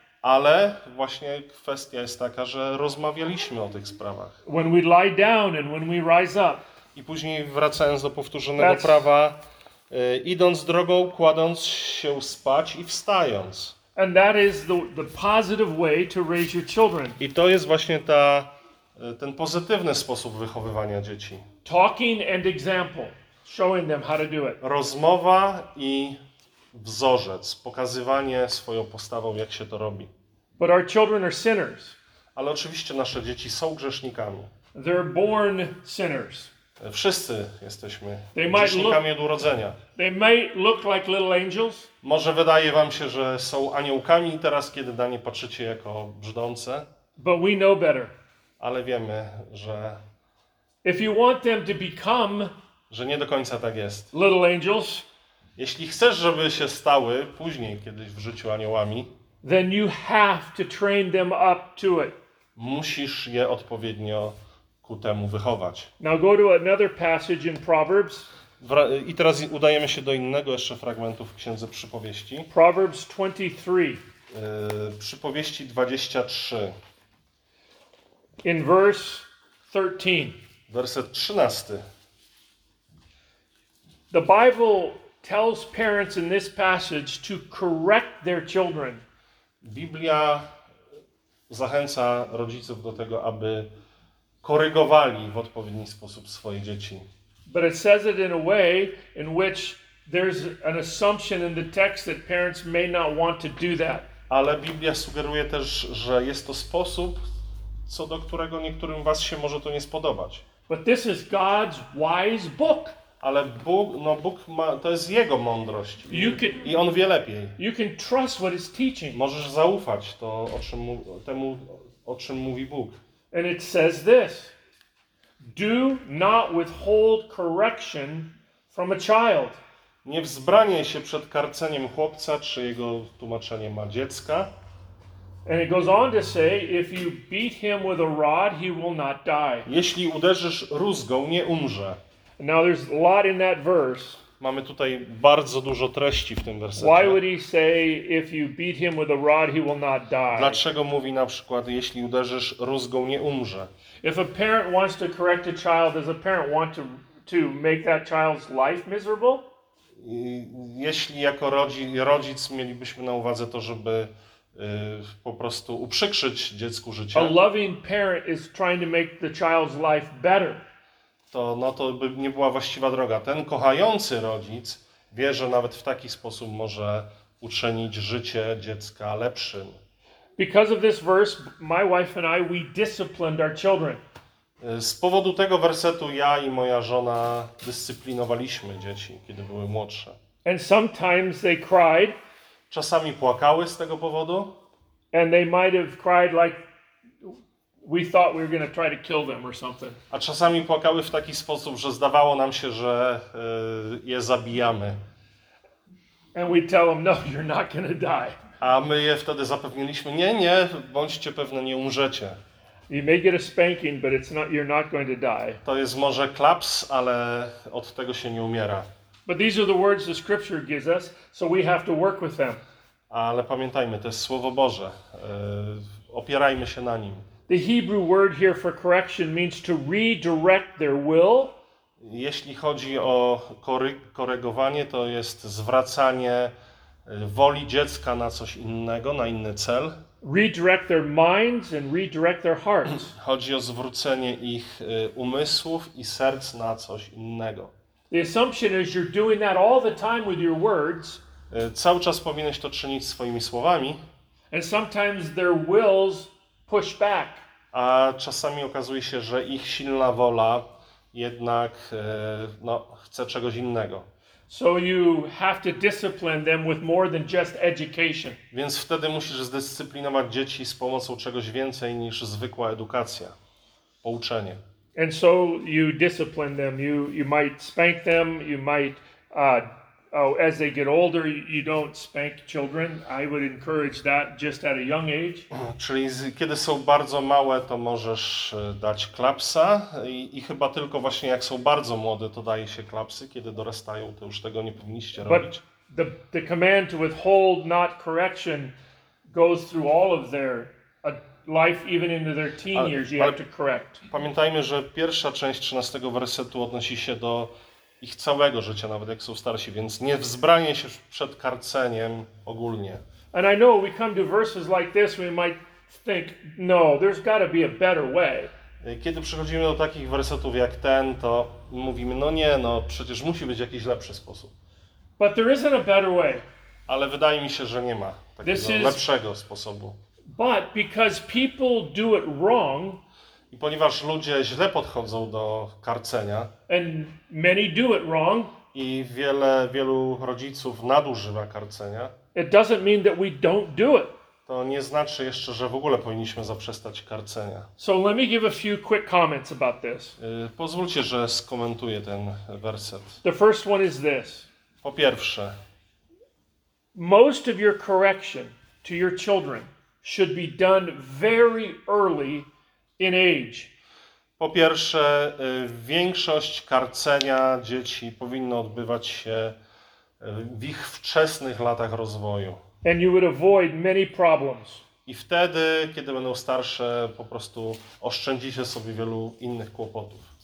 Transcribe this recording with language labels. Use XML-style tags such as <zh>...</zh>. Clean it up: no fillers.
<pl>Ale właśnie kwestia jest taka, że rozmawialiśmy o tych sprawach.</pl> <en>When we lie down and when we rise up.</en> <pl>I później wracając do powtórzonego prawa, idąc drogą, kładąc się spać i wstając.</pl> <en>And that is the positive way to raise your children.</en> <pl>I to jest właśnie ten pozytywny sposób wychowywania dzieci.</pl> <en>Talking and example, showing them how to do it.</en> <pl>Rozmowa i wzorzec, pokazywanie swoją postawą, jak się to robi.</pl> <en>But our children are sinners.</en> <pl>Ale oczywiście nasze dzieci są grzesznikami.</pl> <en>They're born sinners.</en> <pl>Wszyscy jesteśmy grzesznikami od urodzenia.</pl> <en>They might look like little angels.</en> <pl>Może wydaje wam się, że są aniołkami teraz, kiedy na nie patrzycie jako brzdące.</pl> <en>But we know better.</en> <pl>Ale wiemy, że</pl> <en>if you want them to become,</en> <pl>że nie do końca tak jest.</pl> <en>Little angels.</en> <pl>Jeśli chcesz, żeby się stały później kiedyś w życiu aniołami,</pl> <en>then you have to train them up to it.</en> <pl>Musisz je odpowiednio ku temu wychować.</pl> <en>Now go to another passage in Proverbs.</en> <pl>I teraz udajemy się do innego jeszcze fragmentu w Księdze Przypowieści.</pl> <en>Proverbs 23.</en> <pl>Przypowieści 23.</pl> <en>In verse 13.</en> <pl>Werset 13.</pl> <en>The Bible tells parents in this passage to correct their children.</en> <pl>Biblia zachęca rodziców do tego, aby korygowali w odpowiedni sposób swoje dzieci.</pl> <en>But it says it in a way in which there's an assumption in the text that parents may not want to do that.</en> <pl>Ale Biblia sugeruje też, że jest to sposób, co do którego niektórym was się może to nie spodobać.</pl> <en>But this is God's wise book.</en> <pl>Ale Bóg ma, to jest jego mądrość i on wie lepiej.</pl> <en>You can trust what he's teaching.</en> <pl>Możesz zaufać temu, o czym mówi Bóg.</pl> <en>And it says this: do not withhold correction from a child.</en> <pl>Nie wzbraniaj się przed karceniem chłopca czy jego tłumaczeniem na dziecka.</pl> <en>And it goes on to say, if you beat him with a rod, he will not die.</en> <pl>Jeśli uderzysz rózgą, nie umrze.</pl> <en>Now there's a lot in that verse.</en> <pl>Mamy tutaj bardzo dużo treści w tym wersecie.</pl> <en>Why would he say, if you beat him with a rod, he will not die?</en> <pl>Dlaczego mówi na przykład, jeśli uderzysz rózgą, nie umrze?</pl> <en>If a parent wants to correct a child, does a parent want to make that child's life miserable?</en> <pl>Jeśli jako rodzic mielibyśmy na uwadze to, żeby po prostu uprzykrzyć dziecku życie.</pl> <en>A loving parent is trying to make the child's life better.</en> <pl>To no to by nie była właściwa droga. Ten kochający rodzic wie, że nawet w taki sposób może uczynić życie dziecka lepszym.</pl> <en>Because of this verse, my wife and I, we disciplined our children.</en> <pl>Z powodu tego wersetu ja i moja żona dyscyplinowaliśmy dzieci, kiedy były młodsze.</pl> <en>And sometimes they cried.</en> <pl>Czasami płakały z tego powodu.</pl> <en>And they might have cried like we thought we were going to try to kill them or something.</en> <pl>A czasami płakały w taki sposób, że zdawało nam się, że je zabijamy.</pl> <en>And we tell them, no, you're not going to die.</en> <pl>A my je wtedy zapewniliśmy, nie, nie, bądźcie pewne, nie umrzecie.</pl> <en>You may get a spanking, but it's not, you're not going to die.</en> <pl>To jest może klaps, ale od tego się nie umiera.</pl> <en>But these are the words the scripture gives us, so we have to work with them.</en> <pl>Ale pamiętajmy, to jest Słowo Boże. Opierajmy się na nim.</pl> <en>The Hebrew word here for correction means to redirect their will.</en> <pl>Jeśli chodzi o korygowanie, to jest zwracanie woli dziecka na coś innego, na inny cel.</pl> <en>Redirect their minds and redirect their hearts.</en> <pl>Chodzi o zwrócenie ich umysłów i serc na coś innego.</pl> <en>The assumption is you're doing that all the time with your words.</en> <pl>Cały czas powinieneś to czynić swoimi słowami.</pl> <en>And sometimes their wills push back.</en> <pl>A czasami okazuje się, że ich silna wola jednak no, chce czegoś innego.</pl> <en>So you have to discipline them with more than just education.</en> <pl>Więc wtedy musisz zdyscyplinować dzieci z pomocą czegoś więcej niż zwykła edukacja, pouczenie.</pl> <en>And so you discipline them. You might spank them. You might as they get older, you don't spank children. I would encourage that just at a young age.</en> <pl>Czyli kiedy są bardzo małe, to możesz dać klapsa i chyba tylko właśnie jak są bardzo młode, to daje się klapsy. Kiedy dorastają, to już tego nie powinniście robić.</pl> <en>But the command to withhold not correction goes through all of their life, even into their teen years, you have to correct.</en> <pl>Pamiętajmy, że pierwsza część 13 wersetu odnosi się do ich całego życia, nawet jak są starsi, więc nie wzbranie się przed karceniem ogólnie.</pl> <en>And I know we come to verses like this, we might think, no, there's got to be a better way.</en> <pl>Kiedy przychodzimy do takich wersetów jak ten, to mówimy, no nie, no przecież musi być jakiś lepszy sposób.</pl> <en>But there isn't a better way.</en> <pl>Ale wydaje mi się, że nie ma takiego lepszego sposobu.</pl> <en>But because people do it wrong,</en> <pl>i ponieważ ludzie źle podchodzą do karcenia,</pl> <en>and many do it wrong,</en> <pl>i wielu rodziców nadużywa karcenia,</pl> <en>it doesn't mean that we don't do it.</en> <pl>To nie znaczy jeszcze, że w ogóle powinniśmy zaprzestać karcenia.</pl> <en>So let me give a few quick comments about this.</en> <pl>Pozwólcie, że skomentuję ten werset.</pl> <en>The first one is this.</en> <pl>Po pierwsze,</pl> <en>most of your correction to your children should be done very early in age.</en> <pl>Po pierwsze, większość karcenia dzieci powinno odbywać się w ich wczesnych latach rozwoju.</pl> <en>And you would avoid many problems.</en> <pl>I wtedy, kiedy będą starsze, po prostu oszczędzicie sobie wielu innych kłopotów.</pl>